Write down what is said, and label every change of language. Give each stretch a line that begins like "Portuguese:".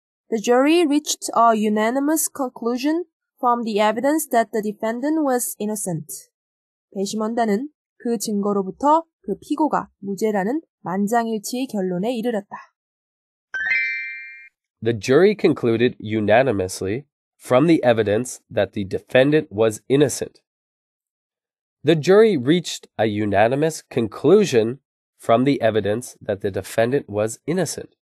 English: The jury reached a unanimous conclusion from the evidence that the defendant was innocent.
Korean: 배심원단은 그 증거로부터 그 피고가 무죄라는 만장일치의 결론에 이르렀다.
English: The jury concluded unanimously from the evidence that the defendant was innocent. The jury reached a unanimous conclusion from the evidence that the defendant was innocent.